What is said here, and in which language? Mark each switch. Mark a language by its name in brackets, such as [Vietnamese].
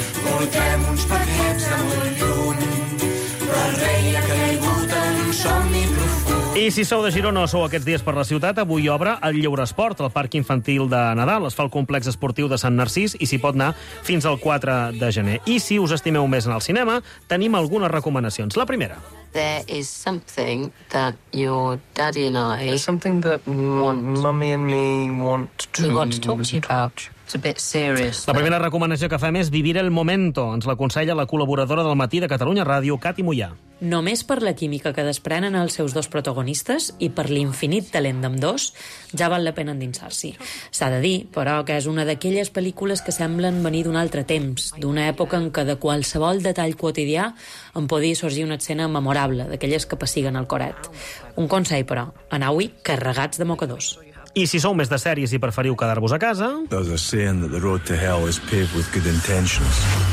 [Catalan] Portem uns paquets de molt lluny, però el rei ha caigut en un somni profund. I si sou de Girona o sou aquests dies per la ciutat, avui obre el Lleure Esport, el parc infantil de Nadal. Es fa el complex esportiu de Sant Narcís i s'hi pot anar fins al 4 de gener. I si us estimeu més en el cinema, tenim algunes recomanacions. La primera. [English] There is something that your daddy and I... There's something that mummy and me want to... We want to talk to you about. It's a bit serious. [Catalan] La primera recomanació que fem és Vivir el momento. Ens l'aconsella la col·laboradora del matí de Catalunya Ràdio, Cati Mollà. Només per la química que desprenen els seus dos protagonistes i per l'infinit talent d'ambdós, ja val la pena endinsar-s'hi. S'ha de dir, però, que és una d'aquelles pel·lícules que semblen venir d'un altre temps, d'una època en què de qualsevol detall quotidià en podia sorgir una escena memorable, d'aquelles que pessiguen el coret. Un consell, però, anau-hi carregats de mocadors. I si sou més de sèries i preferiu quedar-vos a casa... [English] There's a saying that the road to hell is paved with good intentions.